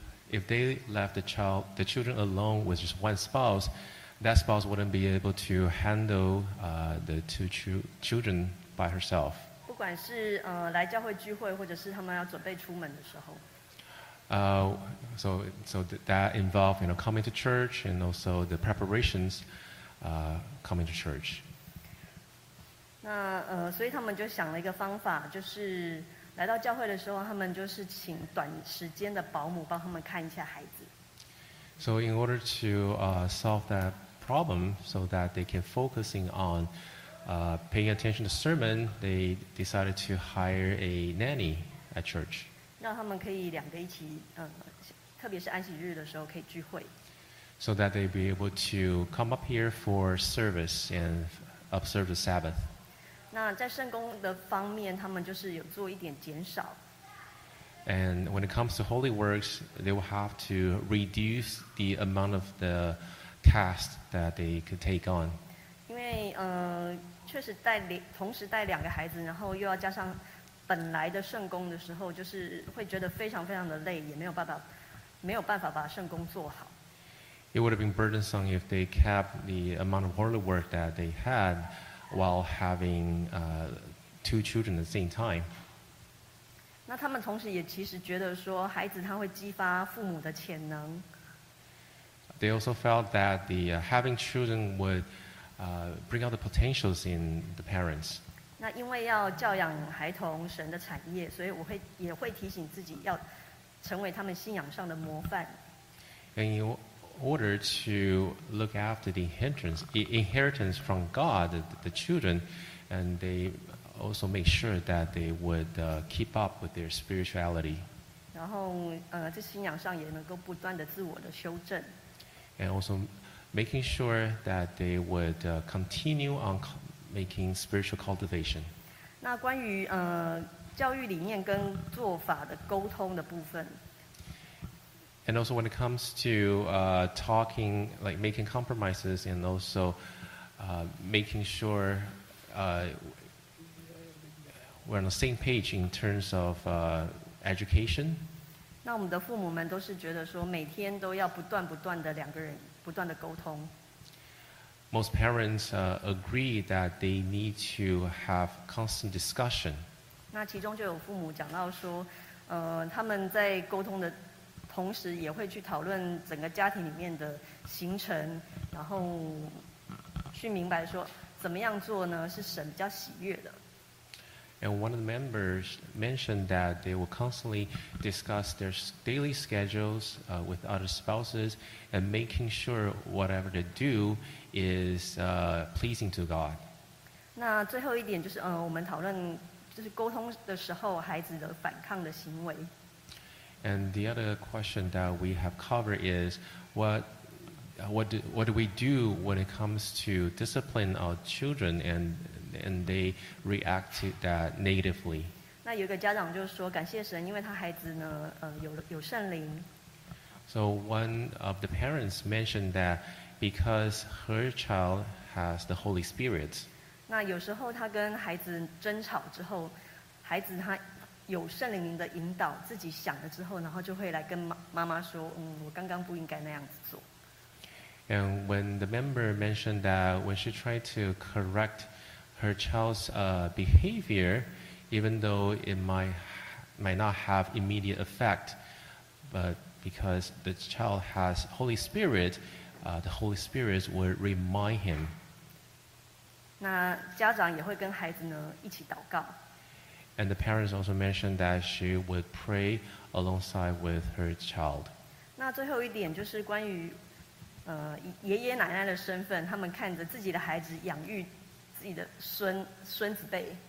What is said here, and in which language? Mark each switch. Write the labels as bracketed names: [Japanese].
[English] If they left the children alone with just one spouse, that spouse wouldn't be able to handle the two children by herself. [Chinese] 不管是来教会聚会，或者是他们要准备出门的时候。 [English] So that involved, you know, coming to church and also the preparations, coming to church. [Chinese] 那所以他们就想了一个方法，就是。来到教会的时候，他们就是请短时间的保姆帮他们看一下孩子。 [English] So in order to solve that problem, so that they can focusing on paying attention to sermon, they decided to hire a nanny at church. [Chinese] 让他们可以两个一起，特别是安息日的时候可以聚会。 [English] So that they be able to come up here for service and observe the Sabbath. [Chinese] 那在圣工的方面，他们就是有做一点减少。 [English] And when it comes to holy works, they will have to reduce the amount of the task that they could take on. [Chinese] 因为确实带同时带两个孩子，然后又要加上本来的圣工的时候，就是会觉得非常非常的累，也没有办法把圣工做好。 [English] It would have been burdensome if they kept the amount of holy work that they had. While having two children at the same time. [Chinese] 那他们同时也其实觉得说孩子他会激发父母的潜能。 [English] They also felt that the having children would bring out the potentials in the parents. [Chinese] 那因为要教养孩童，神的产业，所以我会也会提醒自己要成为他们信仰上的模范。 [English] And in order to look after the inheritance from God, the children, and they also make sure that they would keep up with their spirituality. [Chinese] 然后，在信仰上也能够不断的自我的修正。 [English] And also making sure that they would continue on making spiritual cultivation. [Chinese] 那关于教育理念跟做法的沟通的部分。 [English] And also when it comes to talking, like making compromises and also making sure we're on the same page in terms of education. [Chinese] 那我们的父母们都是觉得说每天都要不断不断的两个人不断的沟通。 [English] Most parents agree that they need to have constant discussion. [Chinese] 那其中就有父母讲到说他们在沟通的同时也会去讨论整个家庭里面的行程，然后去明白说怎么样做呢是神比较喜悦的。 [English] And one of the members mentioned that they will constantly discuss their daily schedules with other spouses and making sure whatever they do is pleasing to God. [Chinese] 那最后一点就是我们讨论就是沟通的时候孩子的反抗的行为。 [English] And the other question that we have covered is what do we do when it comes to discipline our children and they react to that negatively. [Chinese] 那有一个家长就说感谢神因为他孩子呢有圣灵。 [English] So one of the parents mentioned that because her child has the Holy Spirit. [Chinese] 那有时候他跟孩子争吵之后孩子他有圣灵的引导自己想了之后然后就会来跟妈妈说我刚刚不应该那样子做。 [English] And when the member mentioned that when she tried to correct her child's behavior, even though it might not have immediate effect, but because the child has Holy Spirit, the Holy Spirit would remind him. [Chinese] 那家长也会跟孩子呢一起祷告。 [English] And the parents also mentioned that she would pray alongside with her child. [Chinese] 那最后一点就是关于爷爷奶奶的身份，他们看着自己的孩子养育自己的孙子辈。